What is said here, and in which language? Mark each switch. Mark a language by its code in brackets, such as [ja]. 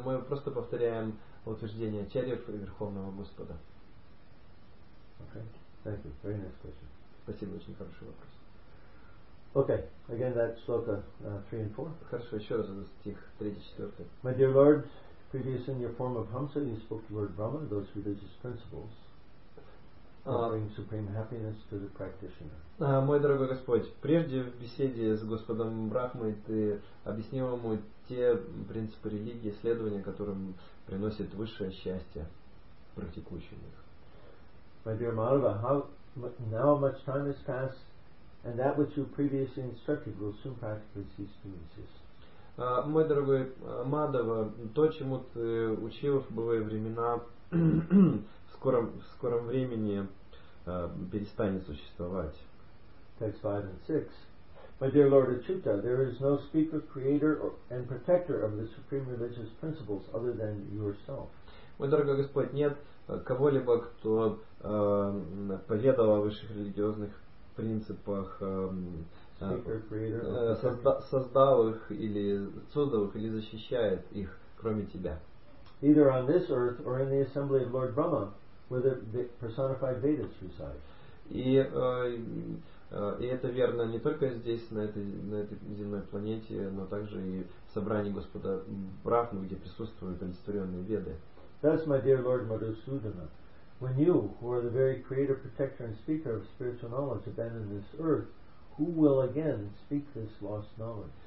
[ru] Мы просто повторяем утверждения Ачарьев и Верховного Господа. Спасибо, очень хороший вопрос. [en] Okay, again that shloka 3 and 4. [ru] Хорошо, еще раз этот стих 3-4. [en] My dear Lord, previous in your form of Hamsa, you spoke to Lord Brahma, those religious principles, offering supreme happiness to the practitioner. [ru] Мой дорогой Господь, прежде в беседе с Господом Брахмой ты объяснил ему те принципы религии, следования которым приносит высшее счастье практикующим их. [en] My dear Madhava, now much time has passed, and that which you previously instructed will soon practically cease to exist. [ru] Мой дорогой Мадхава, то, чему ты учил в былые времена, в скором времени перестанет существовать. [en] Text 5 and 6. My dear Lord Achyuta, there is no speaker, creator and protector of the supreme religious principles other than yourself. [ru] Мой дорогой Господь, нет кого-либо, кто поведал о высших религиозных принципах, создал их или создал их или защищает их, кроме тебя. [en] Either on this earth or in the assembly of Lord Brahma, where the personified Vedas reside. [ru] И это верно не только здесь, на этой земной планете, но также и в собрании Господа Брахмы, где присутствуют олицетворенные Веды. [en] Thus, my dear Lord Madhusudana, when you, who are the very creator, protector, and speaker of spiritual knowledge, abandon this earth, who will again speak this lost knowledge?